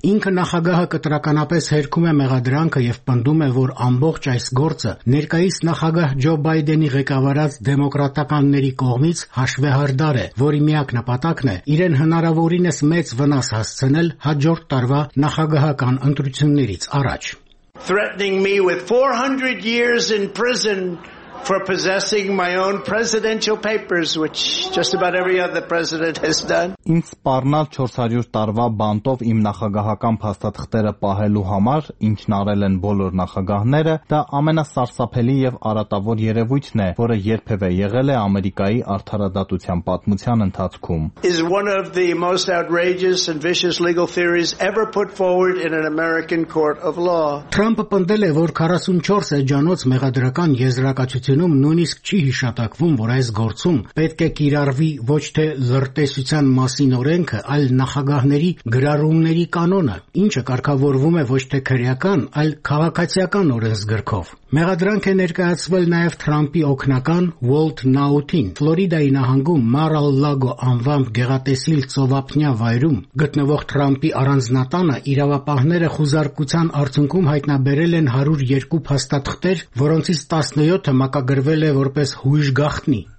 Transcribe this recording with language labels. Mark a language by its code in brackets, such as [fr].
[hy] Ինքը նախագահը կտրականապես հերքում է մեղադրանքը և պնդում է, որ ամբողջ այս գործը ներկայիս նախագահ Ջո Բայդենի ղեկավարած դեմոկրատականների կողմից հաշվեհարդար է, որի միակ նպատակն է իրեն հնարավորինս մեծ վնաս հասցնել հաջորդ տարվա նախագահական ընտրություններից առաջ. [en] Threatening me with 400 years in prison for possessing my own presidential papers, which just about every other president has done. [hy] Ինձ սպառնալ 400 տարվա բանտով իմ նախագահական փաստաթղթերը պահելու համար, ինչն արել են բոլոր նախագահները, դա ամենասարսափելի և արատավոր երևույթն է, որը երբևէ եղել է Ամերիկայի արդարադատության պատմության ընթացքում. [en] Is one of the most outrageous and vicious legal theories ever put forward in an American court of law. [hy] Թրամփը պնդել է, որ 44 էջանոց մեղադրական եզրակացություն ցինում նույնիսկ չի հիշատակվում, որ այս գործում պետք է կիրառվի ոչ թե լրտեսության մասին օրենքը, այլ նախագահների գրառումների կանոնը, ինչը կարգավորվում է ոչ թե քրեական, այլ քաղաքացիական օրենսգրքով։ Մեղադրանք է ներկայացվել նաև Թրամփի օգնական Walt Nautin, Ֆլորիդայի նահանգում Mar-a-Lago անվամբ գեղատեսիլ ծովափնյա վայրում գտնվող Թրամփի առանձնատանը, իրավապահները խուզարկության արդյունքում հայտնաբերել են 102 փաստաթղթեր, որոնցից 17-ը մակագրվել է որպես հուժգախտնի։